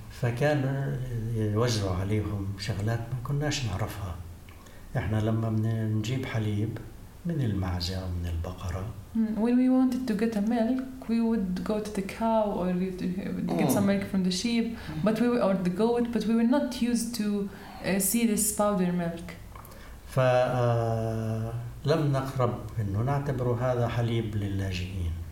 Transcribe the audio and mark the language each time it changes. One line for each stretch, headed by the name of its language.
Arabic: فكان يوزعوا عليهم شغلات ما كناش نعرفها. إحنا لما بنجيب حليب من المعزة أو من البقرة.
English: When we wanted to get a milk, we would go to the cow or we'd get some milk from the sheep, or the goat. But we were not used to see this powder milk.
Arabic: فلم نقرب منه. نعتبره هذا حليب للاجئين.